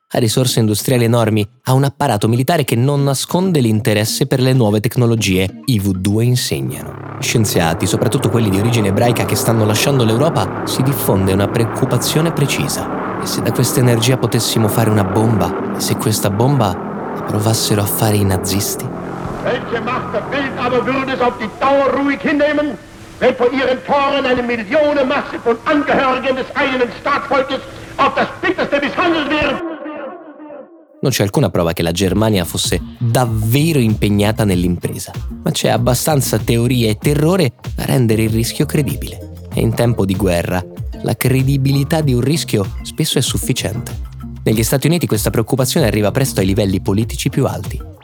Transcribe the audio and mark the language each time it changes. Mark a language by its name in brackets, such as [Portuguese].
[Italian] Ha risorse industriali enormi, ha un apparato militare che non nasconde l'interesse per le nuove tecnologie. I V2 insegnano. Scienziati, soprattutto quelli di origine ebraica che stanno lasciando l'Europa, si diffonde una preoccupazione precisa. E se da questa energia potessimo fare una bomba? E se questa bomba la provassero a fare i nazisti? [German] Welche Macht der Welt aber würde es auf die Dauer ruhig hinnehmen, wenn vor ihren Toren eine Millionenmasse von Angehörigen des eigenen Staatsvolkes auf das Bitterste misshandelt wird? [Italian] Non c'è alcuna prova che la Germania fosse davvero impegnata nell'impresa, ma c'è abbastanza teoria e terrore a rendere il rischio credibile. E in tempo di guerra, la credibilità di un rischio spesso è sufficiente. Negli Stati Uniti questa preoccupazione arriva presto ai livelli politici più alti.